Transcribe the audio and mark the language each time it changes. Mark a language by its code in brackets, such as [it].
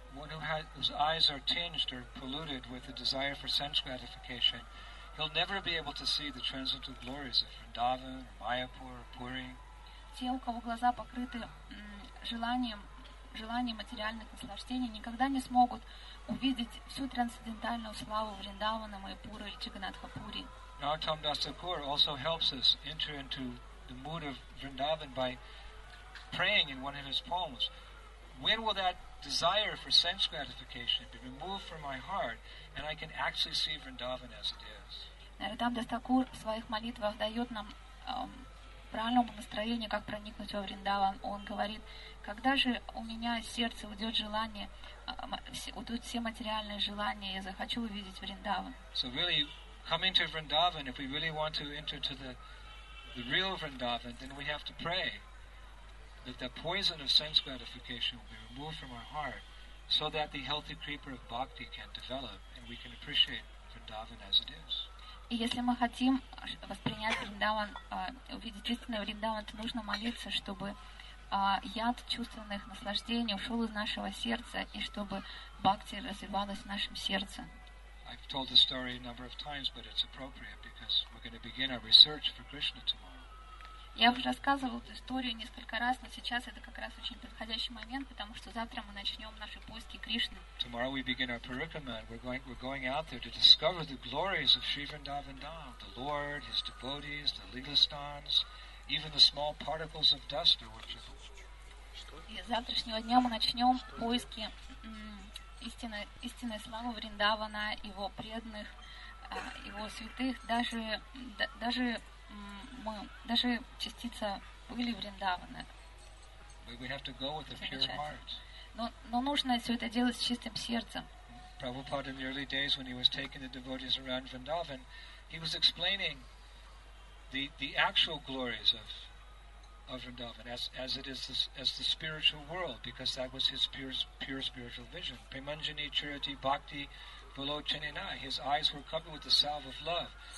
[en] One who has eyes are tinged or polluted with a desire for sense gratification, he'll never be able to see the transcendental glories of Vrindavan, Mayapur, Puri. [ru] Те, у кого глаза покрыты желанием, желания материальных наслаждений, никогда не смогут увидеть всю трансцендентальную славу Вриндавана, Майпуры или Чиганатхапури. [en] Нартам Дастакур also helps us enter into the mood of Vrindavan by praying in one of his poems. When will that desire for sense gratification be removed from my heart and I can actually see Vrindavan as it is? [ru] Нартам Дастакур в своих молитвах дает нам правильному настроению, как проникнуть во Вриндаван. Он говорит: когда же у меня из сердца уйдет желание, уйдут все материальные желания, я захочу увидеть Вриндаван. [en] So really, coming to Vrindavan, if we really want to enter to the real Vrindavan, then we have to pray that the poison of sense gratification will be removed from our heart, so that the healthy creeper of bhakti can develop and we can appreciate Vrindavan as it is. [ru] И если мы хотим воспринять Вриндаван, увидеть чистый Вриндаван, то нужно молиться, чтобы яд чувственных наслаждений ушел из нашего сердца и чтобы бхакти развивалась в нашем сердце. [en] I've told the story a number of times, but it's appropriate because we're going to begin our research for Krishna tomorrow. [ru] Я уже рассказывала эту историю несколько раз, но сейчас это как раз очень подходящий момент, потому что завтра мы начнем наши поиски Кришны. [en] Tomorrow we begin our parikrama. We're going out there to discover the glories of Sri Vrindavan Dham, the Lord, his devotees, the Lilastans, even the small particles of dust are worshipable. [ru] И с завтрашнего дня мы начнем поиски истинной славы Вриндавана, его преданных, его святых, даже частица пыли Вриндавана. [en] We have to go with a pure heart. [ru] Но нужно все это делать с чистым сердцем. [en] Prabhupada, in the early days when he was taking the devotees around Vrindavan, he was explaining the actual glories of Vrindavan as it is as the spiritual world, because that was his pure spiritual vision. Premanjani Charity Bhakti Balochanina, his eyes were covered with the salve of love.